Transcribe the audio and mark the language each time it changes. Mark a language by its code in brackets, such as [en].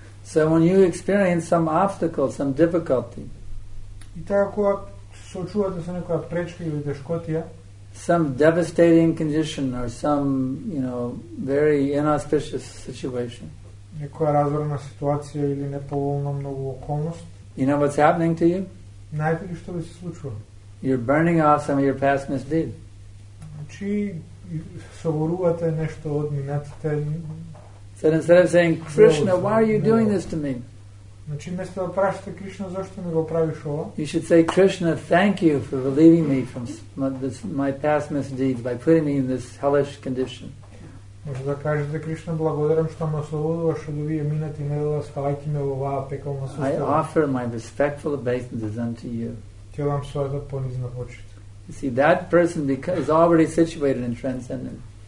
[en] So when you experience some obstacle, some difficulty, [mk] и така кога сочувате со некоја пречка или тешкотија, [en] some devastating condition or some, you know, very inauspicious situation, [mk] некоја разорна ситуација или неповолна многу околност, [en] you know what's happening to you? [mk] Знаете ли што ви се случува? [en] You're burning off some of your past misdeeds. [mk] Нешто од минатите. [en] Said instead of saying, Krishna, why are you doing this to me? [mk] Значи место да прашате Кришна зошто ми го правиш ова? [en] You should say, Krishna, thank you for relieving me from my past misdeeds by putting me in this hellish condition. [mk] Може да кажете, Кришна, благодарам што ме ослободуваш од овие минати недела, ставајќи ме во оваа пеколна состојба. [en] I offer my respectful obeisances unto you. You see, that person is already situated in transcendence.